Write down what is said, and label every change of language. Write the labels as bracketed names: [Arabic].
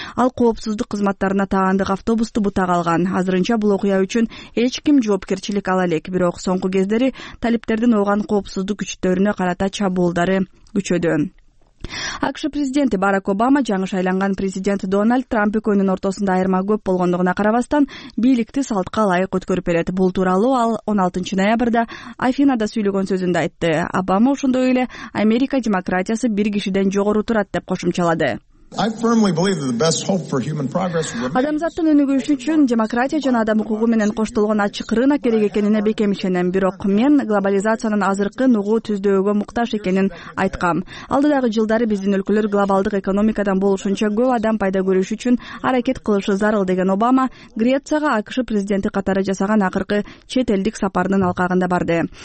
[Kyrgyz] Ал коопсуздук кызматтарына таандык автобусту бутак алган. Азырынча бул окуя үчүн эч ким жоопкерчилик ала элек, бирок соңку кездери талиптердин ооган коопсуздук күчтөрүнө карата чабуулдары күчөдү. АКШ президенти Барак Обама жаңы шайланган президент Дональд Трамп экөөнүн ортосунда айырма көп болгондугуна карабастан бийликти салтка ылайык өткөрүп берет. Бул тууралуу ал 16 ноябрда Афинада сүйлөгөн сөзүндө айтты. Обама ошондой эле Америка демократиясы бир кишиден жогору турат деп кошумчалады. [English] I firmly believe that the best hope for human progress would be [Kyrgyz] адамзаттын өнүгүшү үчүн демократия жана адам укугу менен коштолгон ачык рынок керек экенине бекем ишенем, бирок мен глобализациянын азыркы нугу түздөөгө муктаж экенин айткам. Алдыдагы жылдары биздин өлкөлөр глобалдык экономикадан болушунча көп адам пайда көрүш үчүн аракет кылышы зарыл деген Обама Грецияга АКШ президенти катары жасаган акыркы чет элдик сапарынын алкагында барды.